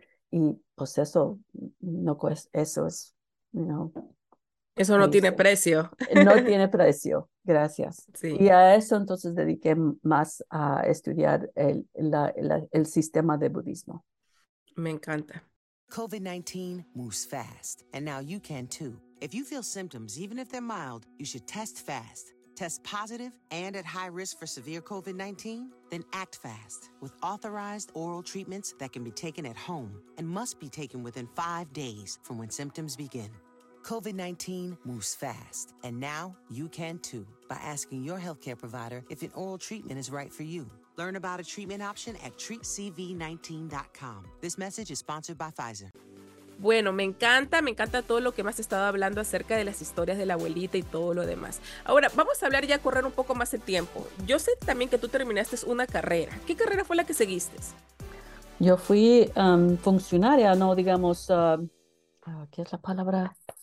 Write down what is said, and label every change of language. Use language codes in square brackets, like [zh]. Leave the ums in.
[es] Y pues eso, no, eso es, [en] you know, [es] Eso no tiene precio. No tiene precio, gracias. Sí. Y a eso entonces dediqué más a estudiar el, la, la, el sistema de budismo. Me encanta. [en] COVID 19 moves fast, and now you can too. If you feel symptoms, even if they're mild, you should test fast. Test positive and at high risk for severe COVID 19? Then act fast with authorized oral treatments that can be taken at home and must be taken within five days from when symptoms begin. COVID 19 moves fast, and now you can too by asking your healthcare provider if an oral treatment is right for you. Learn about a treatment option at treatcv19.com. This message is sponsored by Pfizer. [es] Bueno, me encanta, me encanta todo lo que más has estado hablando acerca de las historias de la abuelita y todo lo demás. Ahora, vamos a hablar ya, a correr un poco más el tiempo. Yo sé también que tú terminaste una carrera. ¿Qué carrera fue la que seguiste? Yo fui um, funcionaria, no digamos, uh, ¿qué es la palabra?